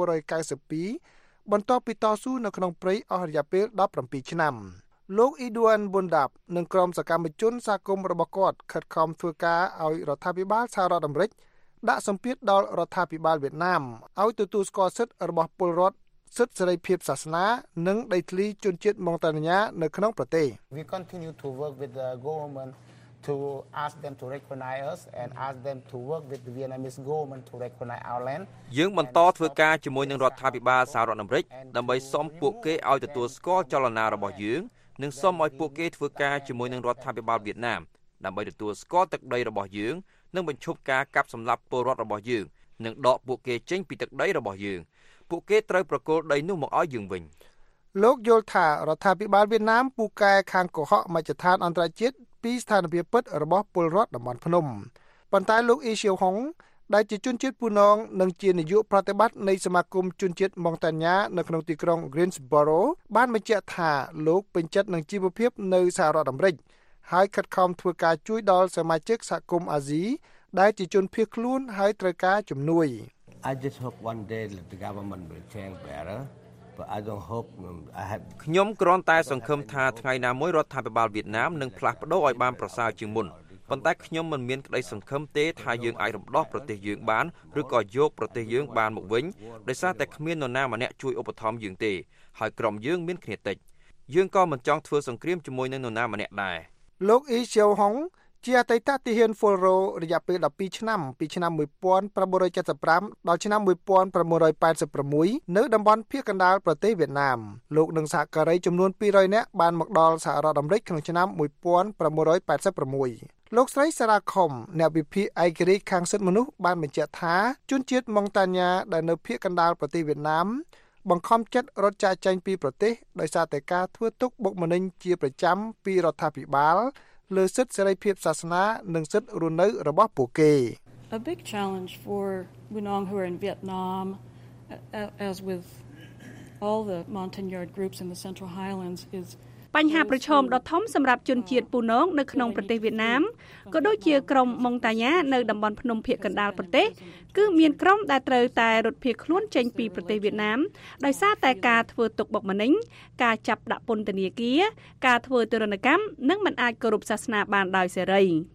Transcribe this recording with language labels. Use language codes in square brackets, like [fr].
[km] 1992បន្ទាប់ពីតស៊ូនៅក្នុងព្រៃអស់រយៈពេល17ឆ្នាំលោកអ៊ីឌួនប៊ុនដាប់និងក្រុមសកម្មជនសាគមរបស់គាត់ខិតខំធ្វើការឲ្យរដ្ឋាភិបាលសហរដ្ឋអាមេរិកដាក់សម្ពាធដល់រដ្ឋាភិបាលវៀតណាមឲ្យទទួលស្គាល់សិទ្ធិរបស់ពលរដ្ឋសិទ្ធិសេរីភាពសាសនានិងដីធ្លីជនជាតិម៉ង់តាញ៉ានៅក្នុងប្រទេស [en] We continue to work with the government to ask them to recognize us and ask them to work with the Vietnamese government to recognize our land [km] យើងបន្តធ្វើការជាមួយនឹងរដ្ឋាភិបាលសហរដ្ឋអាមេរិកដើម្បីសុំពួកគេឲ្យទទួលស្គាល់ចលនារបស់យើងនឹងសូមឲ្យពួកគេធ្វើការជាមួយនឹងរដ្ឋាភិបាលវៀតណាមដើម្បីទទួលស្គាល់ទឹកដីរបស់យើងនិងបញ្ឈប់ការកាប់សម្លាប់ពលរដ្ឋរបស់យើងនិងដកពួកគេចេញពីទឹកដីរបស់យើងពួកគេត្រូវប្រគល់ដីនោះមកឲ្យយើងវិញ លោកយល់ថារដ្ឋាភិបាលវៀតណាមពូកែខាងកុហកមជ្ឈដ្ឋានអន្តរជាតិពីស្ថានភាពពិតរបស់ពលរដ្ឋតំបន់ភ្នំប៉ុន្តែលោកអ៊ីឈៀវហុង ដែលជាជនជាតិពូណងនិងជានាយកប្រតិបត្តិនៃសមាគមជនជាតិម៉ុងតាញ៉ានៅក្នុងទីក្រុង Greensboro បានបញ្ជាក់ថាលោកពេញចិត្តនឹងជីវភាពនៅសហរដ្ឋអាមេរិកហើយខិតខំធ្វើការជួយដល់សមាជិកសហគមន៍អាស៊ីដែលជាជនភៀសខ្លួនហើយត្រូវការជំនួយ [en] I just hope one day the government will change better. But I don't hope I have [km] ខ្ញុំគ្រាន់តែសង្ឃឹមថាថ្ងៃណាមួយរដ្ឋាភិបាលវៀតណាមនឹងផ្លាស់ប្ដូរឲ្យបានប្រសើរជាងមុនប៉ុន្តែខ្ញុំមិនមានក្តីសង្ឃឹមទេថាយើងអាចរំដោះប្រទេសយើងបានឬក៏យកប្រទេសយើងបានមកវិញដោយសារតែគ្មាននរណាម្នាក់ជួយឧបត្ថម្ភយើងទេហើយក្រុមយើងមានគ្នាតិចយើងក៏មិនចង់ធ្វើសង្គ្រាមជាមួយនឹងនរណាម្នាក់ដែរ លោកអ៊ីឈាវហុងជាអតីតទាហានហ្វុលរ៉ូរយៈពេល12ឆ្នាំពីឆ្នាំ1975ដល់ឆ្នាំ1986នៅតំបន់ភៀកកណ្ដាលប្រទេសវៀតណាមលោកនឹងសហការីចំនួន200នាក់បានមកដល់សហរដ្ឋអាមេរិកក្នុងឆ្នាំ 1986លោកស្រីសារ៉ាខុំអ្នកវិភាគឯករាជ្យខាងសិទ្ធិមនុស្សបានបញ្ជាក់ថាជនជាតិម៉ុងតាញ៉ាដែលនៅភៀកកណ្ដាលប្រទេសវៀតណាមបង្ខំចិត្តរត់ចាកចេញពីប្រទេសដោយសារតែការធ្វើទុកបុកម្នេញជាប្រចាំពីរដ្ឋាភិបាលលើសិទ្ធិសេរីភាពសាសនានិងសិទ្ធិរស់នៅរបស់ពួកគេ [en] A big challenge for Wunong who are in Vietnam as with all the Montagnard groups in the Central Highlands is [km] បញ្ហាប្រឈមដ៏ធំសម្រាប់ជនជាតិពូណងនៅក្នុងប្រទេសវៀតណាមក៏ដូចជាក្រុមម៉ុងតាញ៉ានៅតំបន់ភ្នំភៀកកណ្ដាលប្រទេសគឺមានក្រុមដែលត្រូវតែរត់ភៀសខ្លួនចេញពីប្រទេសវៀតណាមដោយសារតែការធ្វើទុកបុកម្នេញការចាប់ដាក់ពន្ធនាគារការធ្វើទរណកម្មនិងមិនអាចគោរពសាសនាបានដោយសេរី